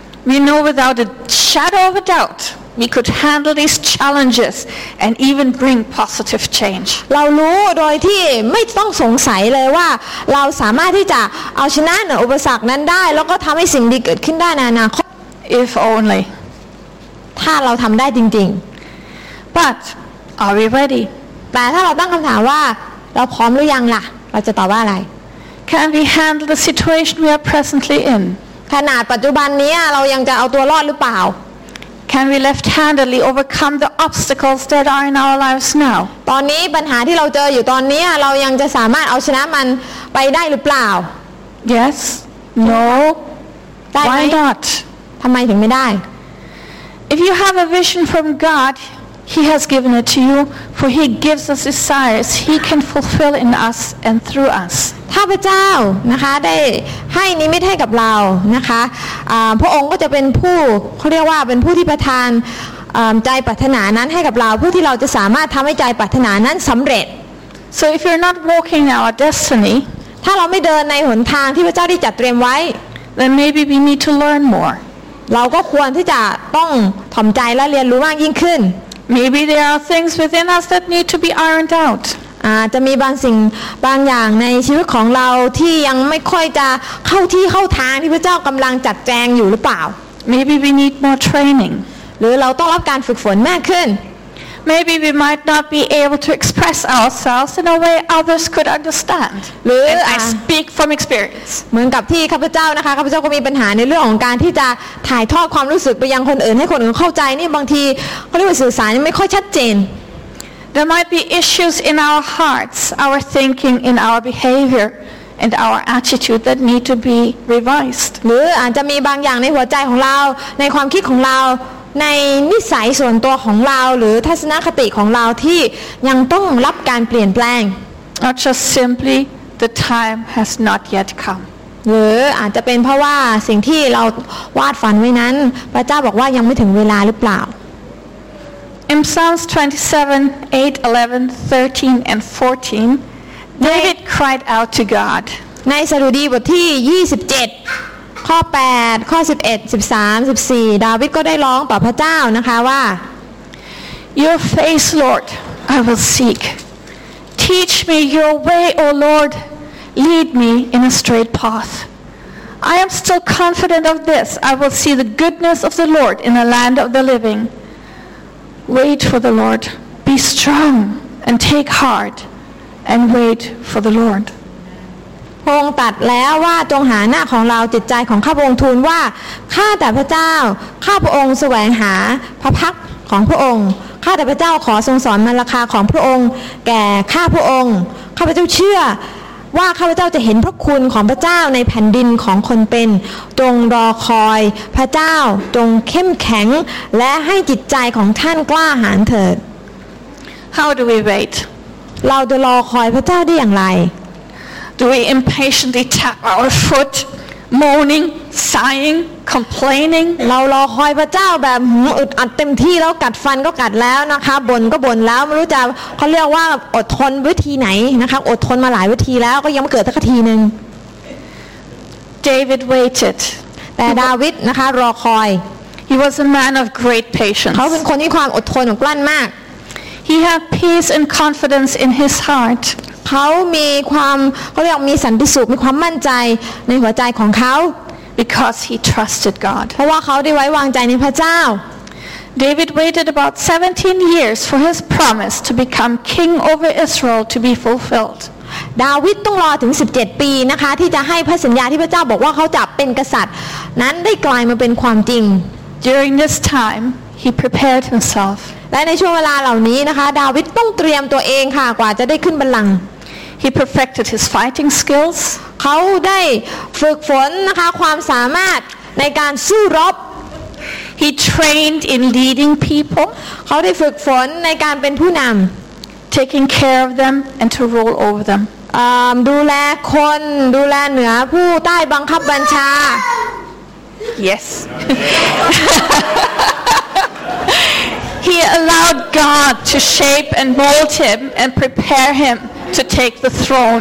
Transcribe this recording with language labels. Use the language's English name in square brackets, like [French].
[English] We know without a shadow of a doubtWe could handle these challenges and even bring positive change. [Thai] เรารู้โดยที่ไม่ต้องสงสัยเลยว่าเราสามารถที่จะเอาชนะอุปสรรคนั้นได้แล้วก็ทำให้สิ่งดีเกิดขึ้นได้ในอนาคต [English] If only. [Thai] ถ้าเราทำได้จริง [English] ๆ But are we ready? [Thai] แต่ถ้าเราตั้งคำถามว่าเราพร้อมหรือยังล่ะเราจะตอบว่าอะไร [English] Can we handle the situation we are presently in? [Thai] ขนาดปัจจุบันนี้เรายังจะเอาตัวรอดหรือเปล่า [English] Can we left-handedly overcome the obstacles that are in our lives now? [Thai] ตอนนี้ปัญหาที่เราเจออยู่ตอนนี้เรายังจะสามารถเอาชนะมันไปได้หรือเปล่า [English] Yes. No. Why not? [Thai] ทำไมถึงไม่ได้ [English] If you have a vision from God, He has given it to you, for He gives us desires He can fulfill in us and through us. [Thai] ถ้าพระเจ้านะคะได้ให้นิมิตให้กับเรานะคะพระองค์ก็จะเป็นผู้เขาเรียกว่าเป็นผู้ที่ประทานใจปรารถนานั้นให้กับเราผู้ที่เราจะสามารถทำให้ใจปรารถนานั้นสำเร็จ [English] So if you're not walking in our destiny [Thai] ถ้าเราไม่เดินในหนทางที่พระเจ้าได้จัดเตรียมไว้ [English] Then maybe we need to learn more [Thai] เราก็ควรที่จะต้องถ่อมใจและเรียนรู้มากยิ่งขึ้น [English] Maybe there are things within us that need to be ironed out. [Thai] จะมีบางสิ่งบางอย่างในชีวิตของเราที่ยังไม่ค่อยจะเข้าที่เข้าทางที่พระเจ้ากำลังจัดแจงอยู่หรือเปล่า [English] Maybe we need more training [Thai] หรือเราต้องรับการฝึกฝนมากขึ้น [English] Maybe we might not be able to express ourselves in a way others could understand [Thai] หรือ [English] And I speak from experience [Thai] เหมือนกับที่ข้าพเจ้านะคะข้าพเจ้าก็มีปัญหาในเรื่องของการที่จะถ่ายทอดความรู้สึกไปยังคนอื่นให้คนอื่นเข้าใจนี่บางทีเขาเรียกว่าสื่อสารยังไม่ค่อยชัดเจน [English] There might be issues in our hearts, our thinking, in our behavior, and our attitude that need to be revised. [Thai] หรืออาจจะมีบางอย่างในหัวใจของเราในความคิดของเราในนิสัยส่วนตัวของเราหรือทัศนคติของเราที่ยังต้องรับการเปลี่ยนแปลง [English] Or just simply the time has not yet come. [Thai] หรืออาจจะเป็นเพราะว่าสิ่งที่เราวาดฝันไว้นั้นพระเจ้าบอกว่ายังไม่ถึงเวลาหรือเปล่า [English] In Psalms 27, 8, 11, 13, and 14, David cried out to God. [Thai] ในสดุดีบทที่27ข้อ8ข้อ11 13 14ดาวิดก็ได้ร้องต่อพระเจ้านะคะว่า [English] Your face, Lord, I will seek. Teach me your way, O Lord. Lead me in a straight path. I am still confident of this. I will see the goodness of the Lord in the land of the living. Wait for the Lord. Be strong and take heart and wait for the Lord. [Thai] พระองค์ตรัสแล้วว่าจงหาหน้าของเราจิตใจของข้าพระองค์ทูลว่าข้าแต่พระเจ้าข้าพระองค์แสวงหาพระพักของพระองค์ข้าแต่พระเจ้าขอทรงสอนมรรคาของพระองค์แก่ข้าพระองค์ข้าพระเจ้าเชื่อว่าข้าพระเจ้าจะเห็นพระคุณของพระเจ้าในแผ่นดินของคนเป็นจงรอคอยพระเจ้าจงเข้มแข็งและให้จิตใจของท่านกล้าหาญเถิด [English] How do we wait [Thai] เราจะรอคอยพระเจ้าได้อย่างไร [English] Do we impatiently tap our foot, moaning, sighing, complaining? [Thai] เรารอคอยพระเจ้าแบบอึดอัดเต็มที่แล้วกัดฟันก็กัดแล้วนะคะบ่นก็บ่นแล้วไม่รู้จะเขาเรียกว่าอดทนวิธีไหนนะคะอดทนมาหลายวิธีแล้วก็ยังไม่เกิดสักทีนึง [English] David waited. [Thai] แต่ดาวิดนะคะรอคอย [English] He was a man of great patience. [Thai] เขาเป็นคนที่ความอดทนกลั้นมาก [English] He had peace and confidence in his heart. [Thai] เขามีความเขาเรียกมีสันติสุขมีความมั่นใจในหัวใจของเขา [English] because he trusted God [Thai] เพราะว่าเขาได้ไว้วางใจในพระเจ้า [English] David waited about 17 years for his promise to become king over Israel to be fulfilled [Thai] ดาวิดต้องรอถึง17ปีนะคะที่จะให้พระสัญญาที่พระเจ้าบอกว่าเขาจะเป็นกษัตริย์นั้นได้กลายมาเป็นความจริง [English] during this time he prepared himself [Thai] และในช่วงเวลาเหล่านี้นะคะดาวิดต้องเตรียมตัวเองค่ะกว่าจะได้ขึ้นบัลลังก์ [English] He perfected his fighting skills [Thai] เขาได้ฝึกฝนนะคะความสามารถในการสู้รบ [English] He trained in leading people [Thai] เขาได้ฝึกฝนในการเป็นผู้นำ [English] taking care of them and to rule over them [Thai] ดูแลคนดูแลเหนือผู้ใต้บังคับบัญชา [English] Yes He allowed God to shape and mold him and prepare him to take the throne.